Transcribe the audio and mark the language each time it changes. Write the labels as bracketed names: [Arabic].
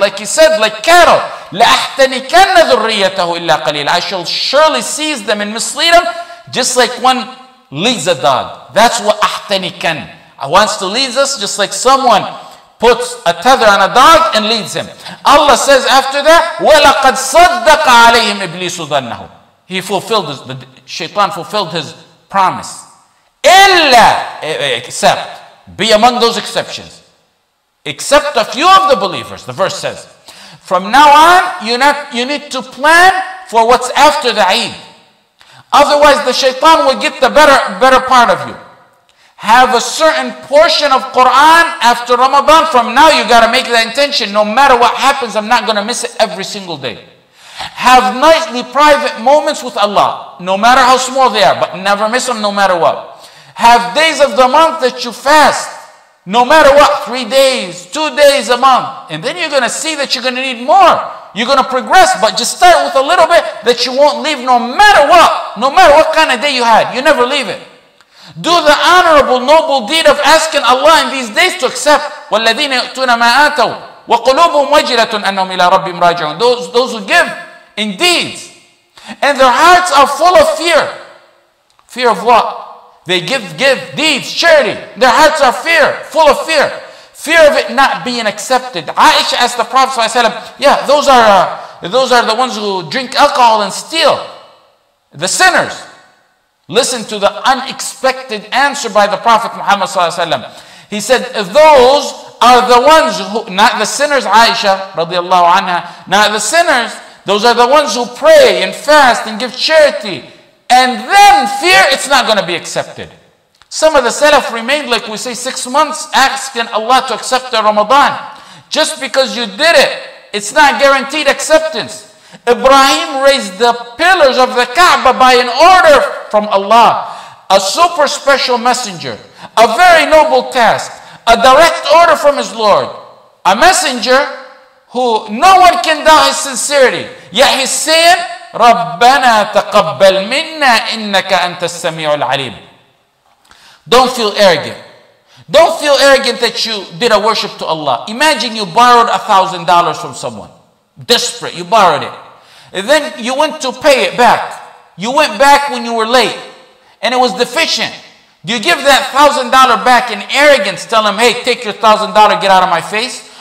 [English] Like he said, like cattle. [Arabic] لَأَحْتَنِكَنَّ ذُرِّيَّتَهُ إِلَّا قَلِيلًا. [English] I shall surely seize them and mislead them, just like one leads a dog. That's what أَحْتَنِكَن. I wants to lead us, just like someone puts a tether on a dog and leads him. Allah says after that, وَلَقَدْ صَدَّقَ عَلَيْهِمْ إِبْلِيسُ ذَنَّهُ. He fulfilled, the shaitan fulfilled his promise. إِلَّا, except, be among those exceptions. Except a few of the believers, the verse says. From now on, you need to plan for what's after the Eid. Otherwise, the shaitan will get the better part of you. Have a certain portion of Quran after Ramadan. From now, you got to make that intention. No matter what happens, I'm not going to miss it every single day. Have nightly private moments with Allah. No matter how small they are, but never miss them no matter what. Have days of the month that you fast. No matter what, 3 days, 2 days a month. And then you're going to see that you're going to need more. You're going to progress, but just start with a little bit that you won't leave no matter what. No matter what kind of day you had, you never leave it. Do the honorable, noble deed of asking Allah in these days to accept. [Arabic] وَالَّذِينَ يُؤْتُونَ مَا آتَوْا وَقُلُوبُهُمْ وَجِلَةٌ أَنَّهُمْ إِلَىٰ رَبِّهِمْ رَاجِعُونَ [English] Those who give, indeed. And their hearts are full of fear. Fear of what? They give deeds, charity. Their hearts are fear, full of fear. Fear of it not being accepted. Aisha asked the Prophet ﷺ, yeah, those are the ones who drink alcohol and steal. The sinners. Listen to the unexpected answer by the Prophet Muhammad ﷺ. He said, those are the ones who, not the sinners, Aisha radiallahu anha, not the sinners, those are the ones who pray and fast and give charity. And then fear, it's not going to be accepted. Some of the salaf remained, like we say, 6 months asking Allah to accept the Ramadan. Just because you did it, it's not guaranteed acceptance. Ibrahim raised the pillars of the Kaaba by an order from Allah. A super special messenger. A very noble task. A direct order from his Lord. A messenger who no one can doubt his sincerity. Yet he's saying, [Arabic] رَبَّنَا تَقَبَّلْ مِنَّا إِنَّكَ أَنْتَ السَّمِيعُ الْعَلِيمُ [English] Don't feel arrogant. Don't feel arrogant that you did a worship to Allah. Imagine you borrowed $1,000 from someone. Desperate, you borrowed it. And then you went to pay it back. You went back when you were late. And it was deficient. You give that $1,000 back in arrogance, tell him, hey, take your $1,000, get out of my face.